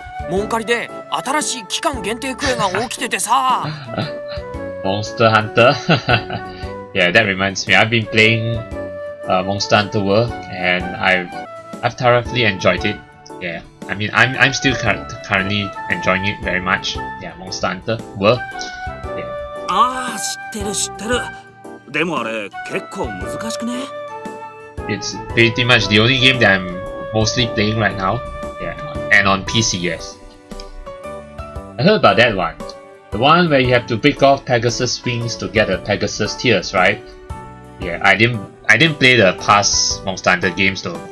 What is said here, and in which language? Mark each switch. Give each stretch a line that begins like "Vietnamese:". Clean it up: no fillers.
English: Monster Hunter? Yeah, that reminds me. I've been playing Monster Hunter World and I've thoroughly enjoyed it. Yeah, I mean, I'm still currently enjoying it very much. Yeah, Monster Hunter World. Yeah.
Japanese: Ah, 知ってる知ってる.でもあれ結構難しくね?
English: It's pretty much the only game that I'm mostly playing right now. And on PC, yes. I heard about that one. The one where you have to break off Pegasus wings to get a Pegasus tears, right? Yeah, I didn't play the past Monster Hunter games though.